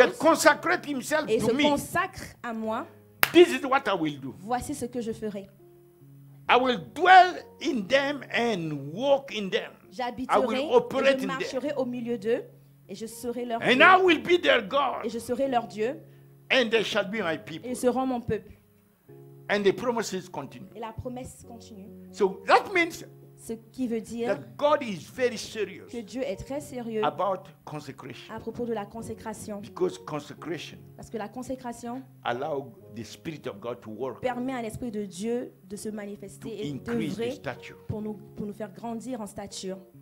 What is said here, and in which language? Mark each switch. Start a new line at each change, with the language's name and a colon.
English: But consecrate himself
French: et
English: to me.
French: Et se consacre à moi.
English: This is what I will do.
French: Voici ce que je ferai.
English: I will dwell in them and walk in them.
French: J'habiterai,
English: I will operate in them.
French: Je marcherai au milieu d'eux et je serai leur
English: and
French: Dieu.
English: And I will be their God.
French: Et je serai leur Dieu.
English: And they shall be my people.
French: Et ils seront mon peuple.
English: And the promises continue.
French: Et la promesse continue.
English: So that means
French: ce qui veut dire
English: that God is very serious
French: que Dieu est très sérieux
English: about consecration.
French: À propos de la consécration.
English: Because consecration
French: parce que la consécration
English: allow the Spirit of God to work
French: permet à l'Esprit de Dieu de se manifester
English: to
French: et
English: increase
French: de vrai pour nous faire grandir en stature.